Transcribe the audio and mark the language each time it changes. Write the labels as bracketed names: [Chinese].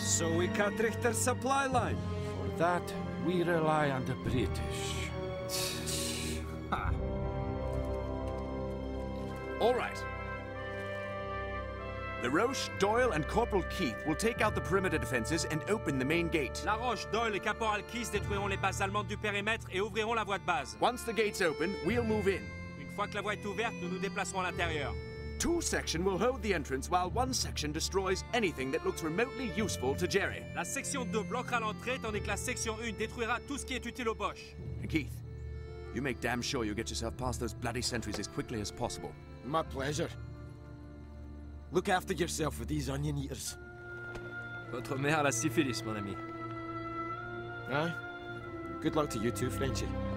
[English] So we cut Richter's supply line. For that, we rely on the British. All right. LaRoche, Doyle, and Corporal Keith will take out the perimeter defenses and open the main gate. [French] LaRoche, Doyle, et Caporal Keith détruiront les bases allemandes du périmètre et ouvriront la voie de base. [English] Once the gate's open, we'll move in. [French] Une fois que la voie est ouverte, nous nous déplacerons à l'intérieur. [English] Two section will hold the entrance while one section destroys anything that looks remotely useful to Jerry. [French] La section 2 bloquera l'entrée tandis que la section 1 détruira tout ce qui est utile aux Boches. [English] And Keith, you make damn sure you get yourself past those bloody sentries as quickly as possible. My pleasure. Look after yourself with these onion eaters. [French] Votre mère a la syphilis, mon ami. [English] Huh? Good luck to you too, Frenchie.